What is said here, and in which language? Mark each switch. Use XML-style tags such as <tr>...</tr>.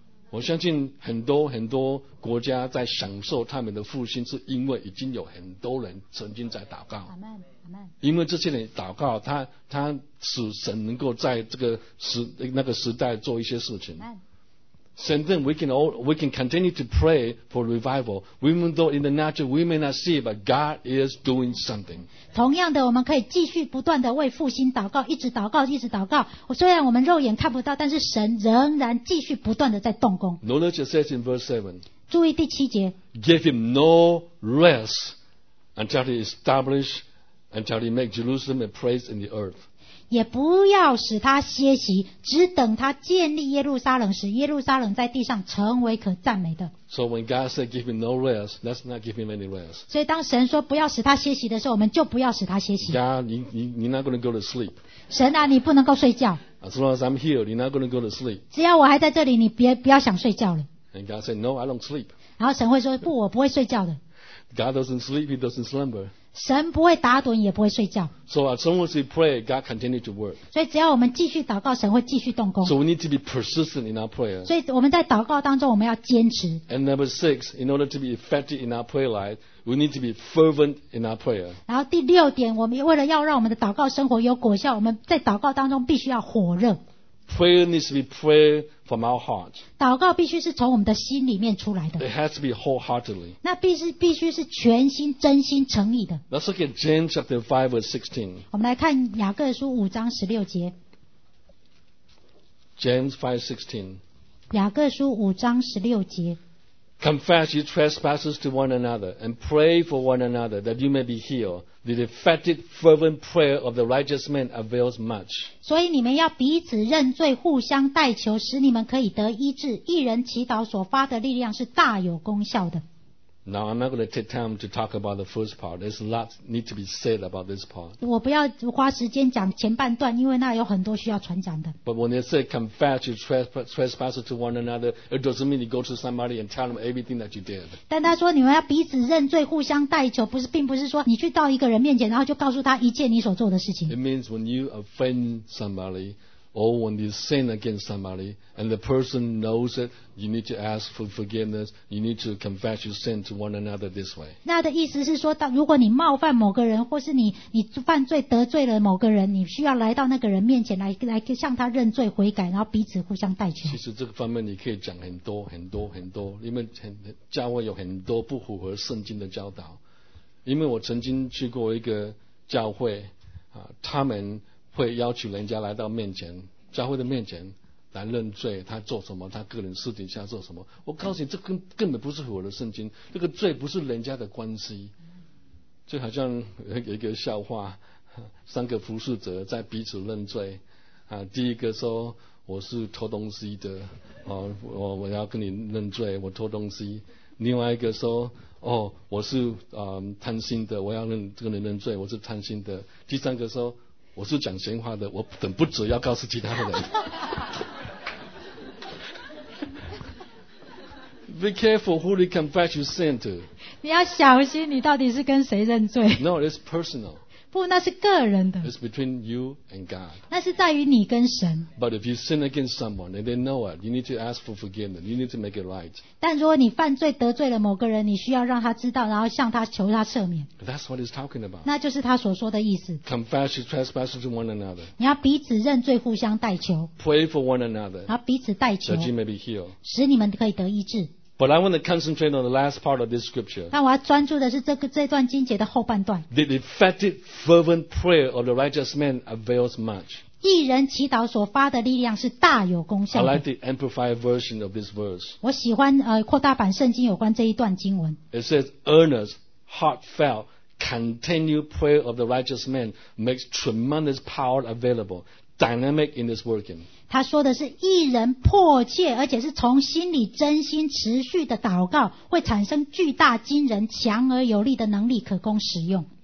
<zh>我相信很多很多国家在享受他们的复兴，是因为已经有很多人曾经在祷告，因为这些人祷告，他使神能够在这个那个时代做一些事情。</zh> <en>Same thing, we can continue to pray for revival. Even though in the natural we may not see it, but God is doing something.</en> <zh>同样的，我们可以继续不断的为复兴祷告，一直祷告，一直祷告。虽然我们肉眼看不到，但是神仍然继续不断的在动工。</zh> <en>Notice it says in verse 7.</en> <zh>注意第七节。</zh> <en>Give him no rest until he establishes, until he makes Jerusalem a place in the earth.</en> <zh>也不要使他歇息，只等他建立耶路撒冷时，耶路撒冷在地上成为可赞美的。</zh> <en>So when God said give him no rest, let's not give him any rest.</en> <zh>所以当神说不要使他歇息的时候，我们就不要使他歇息。</zh> <en>God, you're not going to go to sleep.</en> <zh>神啊，你不能够睡觉。</zh> <en>As long as I'm here, you're not going to go to sleep.</en> <zh>只要我还在这里，你别不要想睡觉了。</zh> <en>And God said, no, I don't sleep.</en> <zh>然后神会说不，我不会睡觉的。</zh> <en>God doesn't sleep, he doesn't slumber.</en> <zh>神不会打盹，也不会睡觉。</zh> <en>So as long as we pray, God continues to work.</en> <zh>所以只要我们继续祷告，神会继续动工。</zh> <en>So we need to be persistent in our prayer.</en> <zh>所以我们在祷告当中，我们要坚持。</zh> <en>And number six, in order to be effective in our prayer life, we need to be fervent in our prayer.</en> <zh>然后第六点，我们为了要让我们的祷告生活有果效，我们在祷告当中必须要火热。</zh> <en>Prayer needs to be prayer from our heart.</en> <zh>祷告必须是从我们的心里面出来的。</zh> <en>It has to be wholeheartedly.</en> <zh>那必须是全心、真心、诚意的。</zh> <en>Let's look at James chapter 5 verse 16.</en> <zh>我们来看雅各书五章十六节。</zh> <en>James 5:16.</en> <zh>雅各书五章十六节。</zh> <en>Confess your trespasses to one another and pray for one another that you may be healed. The effective, fervent prayer of the righteous man avails much.</en> <zh>所以你们要彼此认罪，互相代求，使你们可以得医治。一人祈祷所发的力量是大有功效的。</zh> <en>Now I'm not going to take time to talk about the first part. There's a lot need to be said about this part.</en> <zh>我不要花时间讲前半段，因为那有很多需要传讲的。</zh> <en>But when they say confess your trespasses to one another, it doesn't mean you go to somebody and tell them everything that you did.</en> <zh>但他说你们要彼此认罪，互相代求，不是，并不是说你去到一个人面前，然后就告诉他一件你所做的事情。</zh> <en>It means when you offend somebody. Or when you sin against somebody and the person knows it, you need to ask for forgiveness. You need to confess your sin to one another this way.</en> <zh>那的意思是说，如果你冒犯某个人，或是你犯罪得罪了某个人，你需要来到那个人面前来向他认罪悔改，然后彼此互相代求。其实这个方面你可以讲很多很多很多，因为教会有很多不符合圣经的教导。因为我曾经去过一个教会，他们。会要求人家来到面前教会的面前来认罪，他做什么，他个人私底下做什么，我告诉你这根本不是我的圣经，这个罪不是人家的关系。就好像有一个笑话，三个服侍者在彼此认罪，第一个说我是偷东西的，我要跟你认罪我偷东西，另外一个说我是贪心的，我要跟你认罪我是贪心的，第三个说我是讲闲话的，我等不止要告诉其他的人。</zh> <en>Be careful who you confess your sin to.</en> <zh>你要小心，你到底是跟谁认罪</zh> <en>？No, it's personal.</en> <zh>不，那是个人的。</zh> <en>It's between you and God.</en> <zh>那是在于你跟神。</zh> <en>But if you sin against someone and they know it, you need to ask for forgiveness. You need to make it right.</en> <zh>但如果你犯罪得罪了某个人，你需要让他知道，然后向他求他赦免。</zh> <en>That's what he's talking about.</en> <zh>那就是他所说的意思。</zh> <en>Confess your trespasses to one another.</en> <zh>你要彼此认罪，互相代求。</zh> <en>Pray for one another.</en> <zh>然后彼此代求。</zh> <en>That you may be healed.</en> <zh>使你们可以得医治。</zh> <en>But I want to concentrate on the last part of this scripture.</en> <zh>但我要专注的是这段经节的后半段。</zh> <en>The effective fervent prayer of the righteous man avails much.</en> <zh>义人祈祷所发的力量是大有功效的。</zh> <en>I like the amplified version of this verse.</en> <zh>我喜欢扩大版圣经有关这一段经文。</zh> <en>It says, earnest, heartfelt, continued prayer of the righteous man makes tremendous power available. Dynamic in this working.</en> <zh>他说的是义人迫切而且是从心里真心持续的祷告会产生巨大惊人强而有力的能力可供使用。</zh>